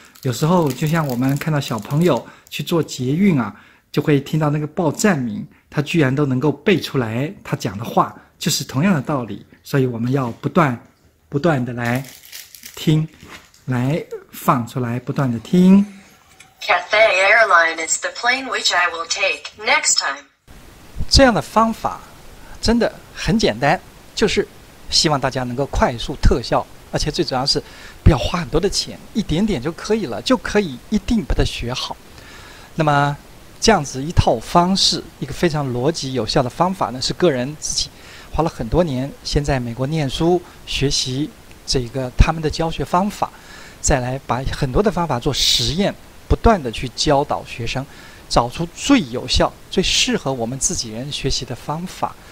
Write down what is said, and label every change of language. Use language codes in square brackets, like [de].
[zh] 有时候就像我们看到小朋友去做捷运啊，就会听到那个报站名，他居然都能够背出来他讲的话，就是同样的道理。所以我们要不断不断的来听，来放出来，不断的听。 [en] Cathay Airline is the plane which I will take next time. [zh] 这样的方法真的很简单，就是希望大家能够快速特效，而且最主要是不要花很多的钱，一点点就可以了，就可以一定把它学好。那么这样子一套方式，一个非常逻辑有效的方法呢，是个人自己花了很多年先在美国念书学习这个他们的教学方法，再来把很多的方法做实验，不断地去教导学生，找出最有效、最适合我们自己人学习的方法。